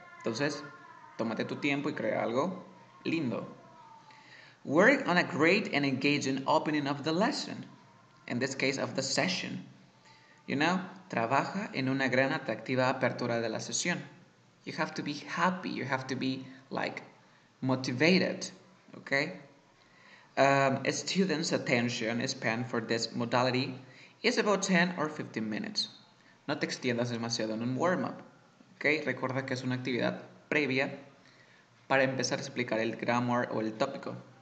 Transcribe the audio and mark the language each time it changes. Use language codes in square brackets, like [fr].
[es] Entonces, tómate tu tiempo y crea algo lindo. [en] Work on a great and engaging opening of the lesson. In this case of the session, you know, [es] trabaja en una gran atractiva apertura de la sesión. [en] You have to be happy, you have to be motivated, okay? A student's attention span for this modality is about 10 or 15 minutes. [es] No te extiendas demasiado en un warm-up, okay? Recuerda que es una actividad previa para empezar a explicar el grammar o el tópico.